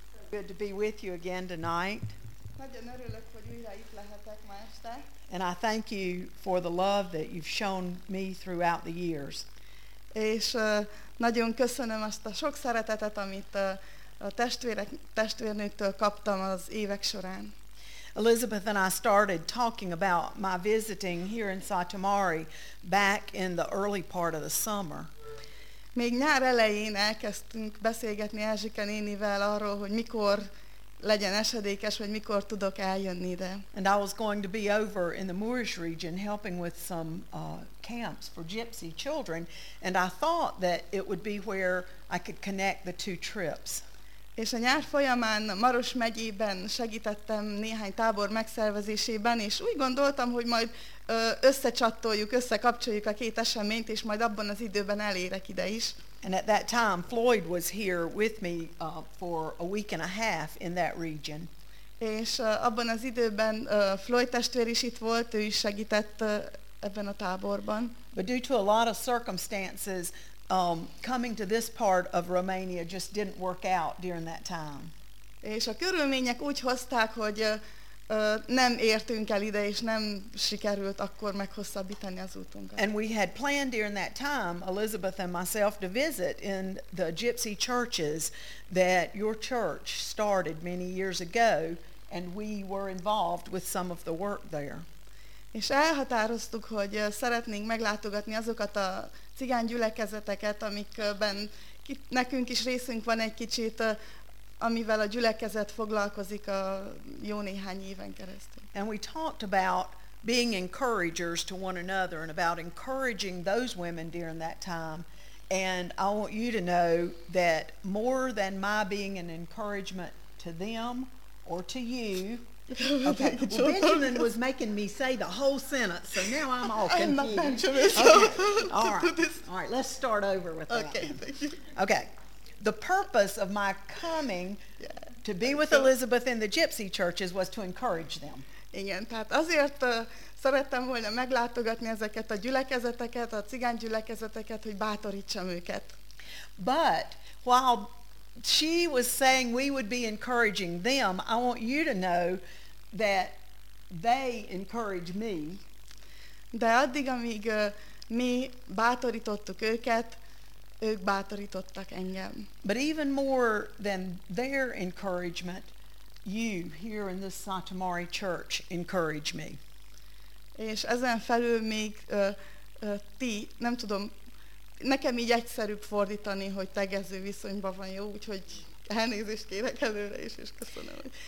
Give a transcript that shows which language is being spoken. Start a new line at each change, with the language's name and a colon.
English: Good to be with you again tonight.
Hungarian: Nagyon örülök, hogy újra itt lehetek ma este.
English: And I thank you for the love that you've shown me throughout the years.
Hungarian: És nagyon köszönöm azt a sok szeretetet, amit a testvérnőktől kaptam az évek során.
English: Elizabeth and I started talking about my visiting here in Satomari back in the early part of the summer.
Hungarian: Még nyár elején elkezdtünk beszélgetni Erzsike nénivel arról, hogy mikor legyen esedékes, vagy mikor tudok eljönni ide.
English: And I was going to be over in the Moorish region helping with some camps for gypsy children, and I thought that it would be where I could connect the two trips.
Hungarian: És a nyár folyamán Maros megyében segítettem néhány tábor megszervezésében, és úgy gondoltam, hogy majd összecsattoljuk, összekapcsoljuk a két eseményt, és majd abban az időben elérek ide is.
English: And at that time Floyd was here with me for a week and a half in that region.
Hungarian: És abban az időben Floyd testvér is itt volt, ő is segített ebben a táborban.
English: But due to a lot of circumstances, coming to this part of Romania just didn't work out during that time.
Hungarian: És a körülmények úgy hozták, hogy nem értünk el ide, és nem sikerült akkor meghosszabbítani az útunkat.
English: And we had planned during that time, Elizabeth and myself, to visit in the gypsy churches that your church started many years ago, and we were involved with some of the work there.
Hungarian: És elhatároztuk, hogy szeretnénk meglátogatni azokat a cigány gyülekezeteket, amikben nekünk is részünk van egy kicsit, amivel a gyülekezet foglalkozik a jó néhány éven keresztül.
English: And we talked about being encouragers to one another and about encouraging those women during that time. And I want you to know that more than my being an encouragement to them or to you, Okay. Well, Benjamin was making me say the whole sentence, so now I'm all confused. Okay. All right. All right, let's start over with that. Okay, thank you. Okay. The purpose of my coming to be with Elizabeth in the gypsy churches was to encourage them.
Hungarian: Igen, tehát azért szerettem volna meglátogatni ezeket a gyülekezeteket, a cigány gyülekezeteket, hogy bátorítsam őket.
English: But while she was saying we would be encouraging them, I want you to know that they encourage me.
Hungarian: De addig, amíg mi bátorítottuk őket, ők bátorítottak engem.
English: But even more than their encouragement, you here in this Satomari church encourage me.
Hungarian: És ezen felül még ti, nem tudom, nekem így egyszerűbb fordítani, hogy tegező viszonyban van, jó, úgyhogy elnézést kérek előre is, és köszönöm.